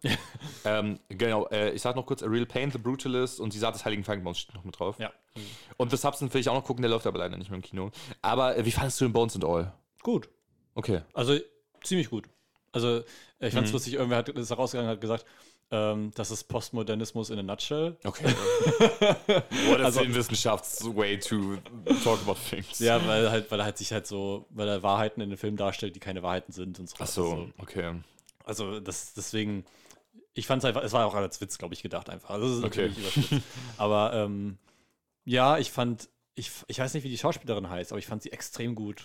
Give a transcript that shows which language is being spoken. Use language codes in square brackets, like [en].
[de] ich sag noch kurz, A Real Pain, The Brutalist und Die Saat des Heiligen Feigenbaums steht noch mit drauf. Ja. Und The Substance will ich auch noch gucken, der läuft aber leider nicht mehr im Kino. Aber wie fandest du den Bones and All? Gut. Okay. Also, ziemlich gut. Also, ich fand es lustig, irgendwer hat es herausgegangen und hat gesagt, das ist Postmodernismus [en] in a nutshell. [de] Okay. [en] What a Filmwissenschafts way to talk about things. [de] Ja, weil er Wahrheiten in den Film darstellt, die keine Wahrheiten sind und so. Ach so, okay. Also deswegen, ich fand es einfach, es war auch als Witz, glaube ich, gedacht einfach. Also, das ist okay. Aber ich weiß nicht, wie die Schauspielerin heißt, aber ich fand sie extrem gut.